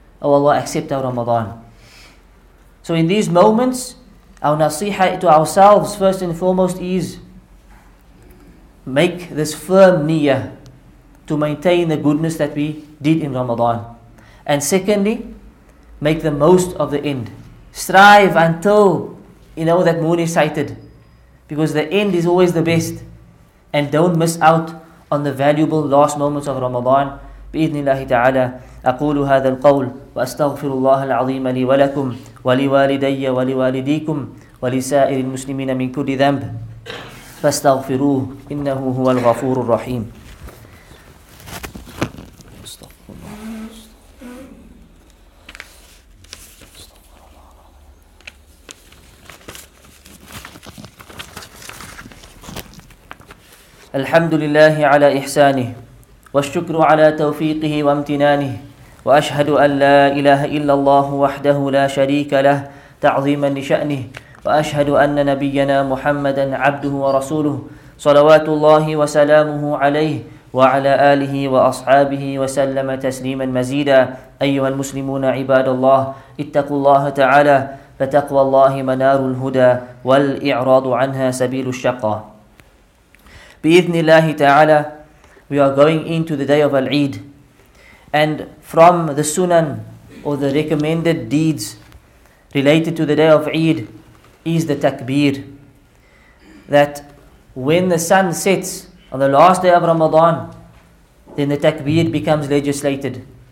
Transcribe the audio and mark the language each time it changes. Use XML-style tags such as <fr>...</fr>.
<en>Oh Allah, accept our Ramadan. So in these moments, our nasiha to ourselves first and foremost is, make this firm niyyah to maintain the goodness that we did in Ramadan. And secondly, make the most of the end. Strive until, you know, that moon is sighted. Because the end is always the best. And don't miss out on the valuable last moments of Ramadan.</en> <ar>بإذن الله تعالى أقول هذا القول وأستغفر الله العظيم لي ولكم ولوالدي ولوالديكم ولسائر المسلمين من كل ذنب فاستغفروه إنه هو الغفور الرحيم. الحمد لله على إحسانه والشكر على توفيقه وامتنانه وأشهد أن لا إله إلا الله وحده لا شريك له تعظيما لشأنه وأشهد أن نبينا محمدا عبده ورسوله صلوات الله وسلامه عليه وعلى آله وأصحابه وسلم تسليما مزيدا. أيها المسلمون عباد الله اتقوا الله تعالى فتقوى الله منار الهدى والإعراض عنها سبيل الشقى. بإذن الله تعالى,</ar> <en>we are going into the day of Al-Eid, and from the sunan, or the recommended deeds related to the day of Eid, is the takbir. That when the sun sets on the last day of Ramadan, then the takbir becomes legislated.</en>